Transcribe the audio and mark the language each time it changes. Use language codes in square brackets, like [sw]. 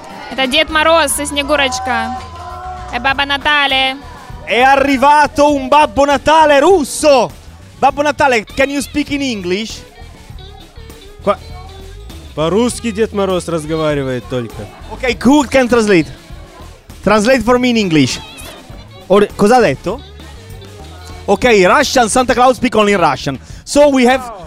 [ru] Это Дед Мороз и Снегурочка. [it] E Babbo Natale. È arrivato un Babbo Natale russo. [en] Babbo Natale, can you speak in English? [ru] По-русски Дед Мороз разговаривает только. [en] Okay, who can translate? Translate for me in English. Or, [it] cosa ha detto? [en] Okay, Russian, Santa Claus speak only in Russian. So we have...